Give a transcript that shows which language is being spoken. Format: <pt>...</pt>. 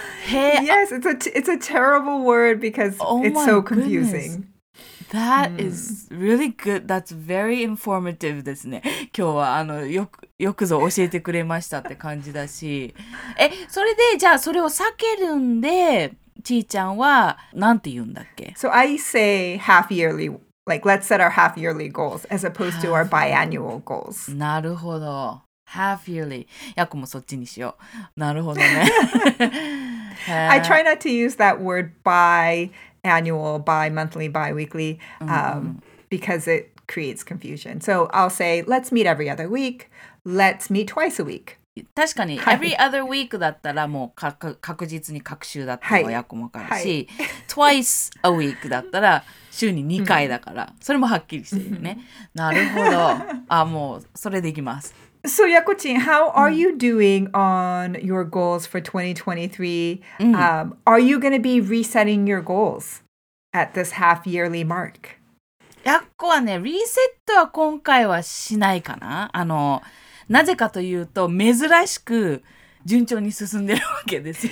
<en>Yes, it's a terrible word because it's so confusing. That is really good. That's very informative</en> <ja>ですね。今日はあのよくぞ教えてくれましたって感じだし。え、それでじゃあそれを避けるんで、ちーちゃんはなんて言うんだっけ？</ja> <en>So I say half yearly, like let's set our half yearly goals as opposed to our biannual goals.</en> <ja>なるほど。</ja> <en>Half yearly.</en> <ja>ヤコもそっちにしよう。なるほどね。</ja> <en>I try not to use that word biannual, bimonthly, biweekly, mm-hmm. because it creates confusion. So I'll say, let's meet every other week. Let's meet twice a week.</en> <ja>確かに、はい、</ja> <en>every other week</en> <ja>だったらもう確実に隔週だったのはヤコもわかるし、はい、</ja> <en>twice a week</en> <ja>だったら週に2回だから、それもはっきりしてるね。なるほど。あ、もうそれでいきます。</ja> <en>So, Yakuchin, how are you doing on your goals for 2023? Are you going to be resetting your goals at this half-yearly mark?</en> <ja>Yakko はね、リセットは今回はしないかな。あの、なぜかというと、珍しく順調に進んでるわけですよ。</ja>